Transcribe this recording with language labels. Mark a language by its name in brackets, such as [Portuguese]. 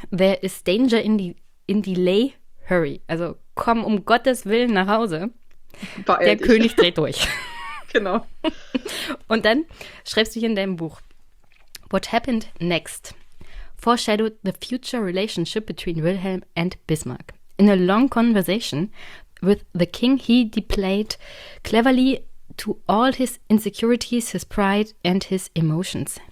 [English] There is danger in delay, hurry. [German] Also komm um Gottes Willen nach Hause. Beeil der dich. König dreht durch. Genau. Und dann schreibst du hier in deinem Buch. [English] What happened next? Foreshadowed the future relationship between Wilhelm and Bismarck. In a long conversation with the king, he displayed cleverly to all his insecurities, his pride and his emotions.